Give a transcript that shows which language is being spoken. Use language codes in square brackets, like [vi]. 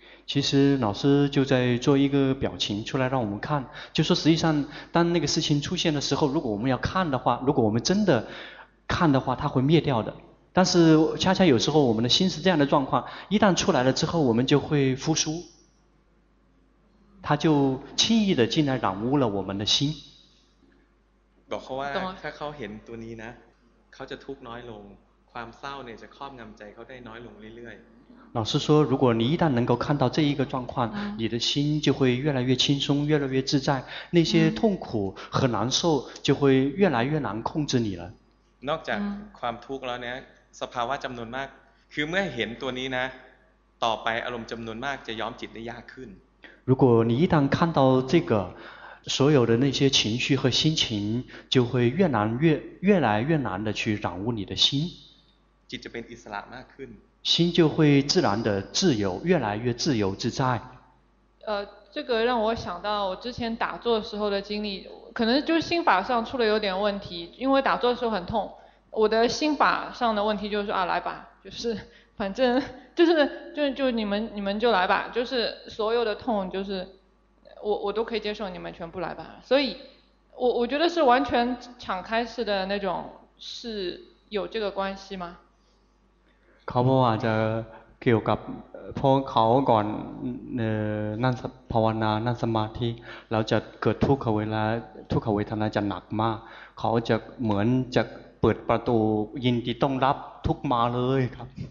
[zh] 其实老师就在做一个表情出来让我们看就说实际上当那个事情出现的时候如果我们要看的话如果我们真的看的话它会灭掉的但是恰恰有时候我们的心是这样的状况一旦出来了之后我们就会复苏他就轻易的进来染污了我们的心 [th] บอกเขาว่าถ้าเขาเห็นตัวนี้นะเขาจะทุกข์น้อยลงความเศร้าเนี่ยจะครอบงำใจเขาได้น้อยลงเรื่อย [zh] ๆ老师说如果你一旦能够看到这一个状况你的心就会越来越轻松越来越自在那些痛苦和难受就会越来越难控制你了 [th] นอกจากความทุกข์แล้วเนี่ยสภาวะจำนวนมากคือเมื่อเห็นตัวนี้นะต่อไปอารมณ์จำนวนมากจะย้อมจิตได้ยากขึ้น [zh] 如果你一旦看到这个所有的那些情绪和心情就会越来越难的去染污你的心 [th] จิตจะเป็นอิสระมากขึ้น [zh] 心就会自然的自由越来越自由自在这个让我想到我之前打坐的时候的经历可能就是心法上出了有点问题因为打坐的时候很痛我的心法上的问题就是说啊来吧就是反正就你们就来吧就是所有的痛就是我都可以接受你们全部来吧所以我觉得是完全敞开式的那种是有这个关系吗 [th] เขาบอกว่าจะเกี่ยวกับเพราะเขาก่อนนั่งภาวนานั่งสมาธิแล้วจะเกิดทุกขเวลาทุกขเวทนาจะหนักมากเขาจะเหมือนจะเปิดประตูยินดีต้องรับทุกมาเลยครับ